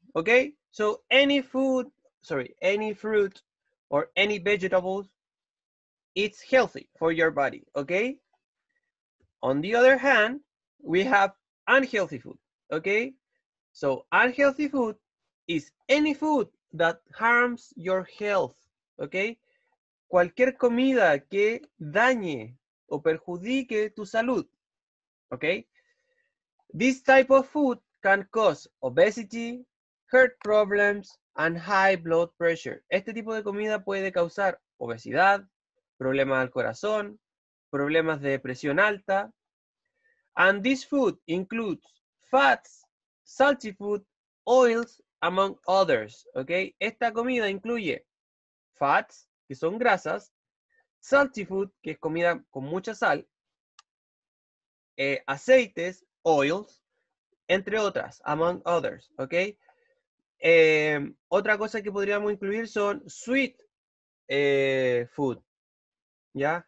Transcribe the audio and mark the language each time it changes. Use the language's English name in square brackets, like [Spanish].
[English] Okay, so any fruit or any vegetables, it's healthy for your body. Okay, on the other hand, we have unhealthy food. Okay, so unhealthy food is any food that harms your health. [Spanish] Okay, cualquier comida que dañe o perjudique tu salud. [English] Okay, this type of food can cause obesity, heart problems, and high blood pressure. [Spanish] Este tipo de comida puede causar obesidad, problemas al corazón, problemas de presión alta. [English] And this food includes fats, salty food, oils, among others. [Spanish] Okay, esta comida incluye fats, que son grasas, [English] salty food, [Spanish] que es comida con mucha sal, aceites, oils, entre otras, [English] among others, [Spanish] ¿ok? Otra cosa que podríamos incluir son [English] sweet food, [Spanish] ¿ya?